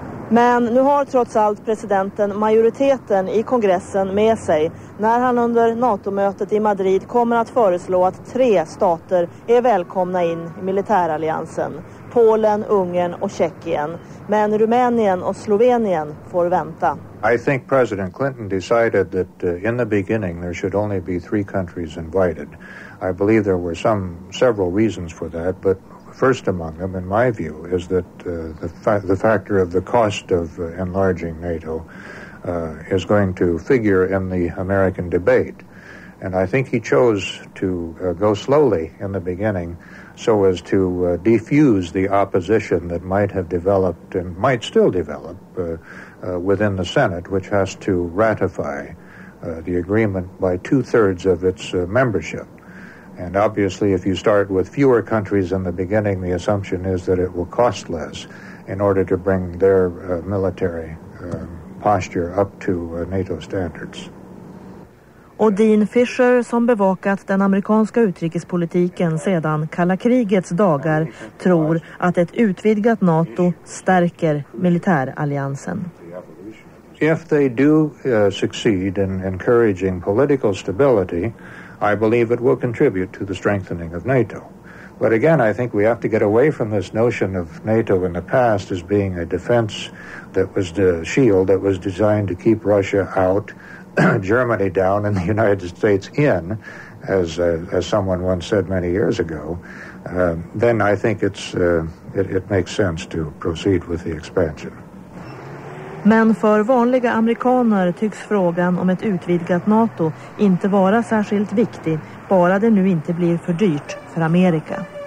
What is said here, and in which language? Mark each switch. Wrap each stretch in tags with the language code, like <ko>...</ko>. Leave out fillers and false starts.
<sv>Men nu har trots allt presidenten majoriteten i kongressen med sig när han under NATO-mötet i Madrid kommer att föreslå att tre stater är välkomna in i militäralliansen. Polen, Ungern och Tjeckien. Men Rumänien och Slovenien får vänta.</sv> <en>I think President Clinton decided that in the beginning there should only be three countries invited. I believe there were several reasons for that, but first among them, in my view, is that the factor of the cost of enlarging NATO is going to figure in the American debate. And I think he chose to go slowly in the beginning so as to defuse the opposition that might have developed and might still develop within the Senate, which has to ratify the agreement by two-thirds of its membership. And obviously, if you start with fewer countries in the beginning, the assumption is that it will cost less in order to bring their military posture up to NATO standards.</en> <sv>Och Dean Fisher, som bevakat den amerikanska utrikespolitiken sedan kalla krigets dagar, tror att ett utvidgat NATO stärker militäralliansen.</sv> <en>If they do succeed in encouraging political stability, I believe it will contribute to the strengthening of NATO. But again, I think we have to get away from this notion of NATO in the past as being a defense that was the shield that was designed to keep Russia out, Germany down, and the United States in, as someone once said many years ago. Then I think it makes sense to proceed with the expansion.</en> <sv>Men för vanliga amerikaner tycks frågan om ett utvidgat NATO inte vara särskilt viktig, bara det nu inte blir för dyrt för Amerika.</sv>